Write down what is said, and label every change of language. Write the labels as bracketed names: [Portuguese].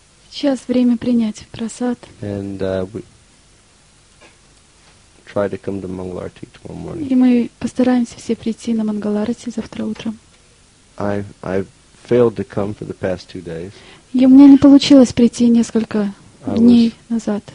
[Russian] Сейчас время принять прасад. [English] And we try to come to Mangalarti tomorrow morning. [Russian] И мы постараемся все прийти на Мангаларти завтра утром. [English] I failed to come for the past 2 days. [Russian] И мне не получилось прийти несколько дней назад.